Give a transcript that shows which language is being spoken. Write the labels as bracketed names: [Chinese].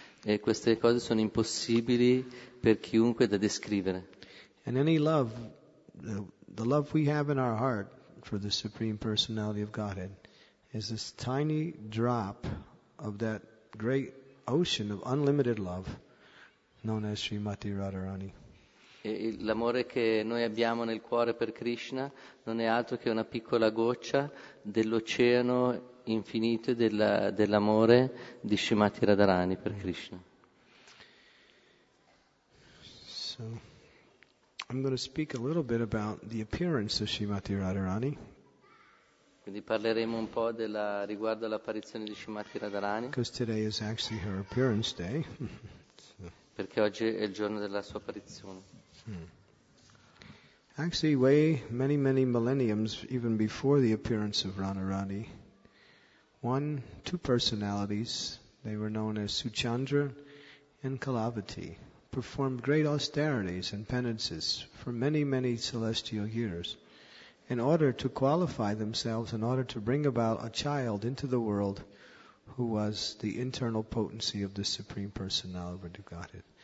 [Italian] E queste cose sono impossibili per chiunque da descrivere. [English] And any love, the love we have in our heart for the Supreme Personality of Godhead is this tiny drop of that great ocean of unlimited love known as Srimati Radharani. [Italian] L'amore che noi abbiamo nel cuore per Krishna non è altro che una piccola goccia dell'oceano infinito e dell'amore di Srimati Radharani per Krishna. [English] So, I'm going to speak a little bit about the appearance of Srimati Radharani. [Italian] Quindi parleremo un po' riguardo all'apparizione di Srimati Radharani. [English] Because today is actually her appearance day. [Italian] Perché oggi è il giorno della sua apparizione. [English] Actually, way many, many millenniums, even before the appearance of Radharani, two personalities, they were known as Suchandra and Kalavati, performed great austerities and penances for many, many celestial years in order to qualify themselves, in order to bring about a child into the world who was the internal potency of the Supreme Personality of Godhead.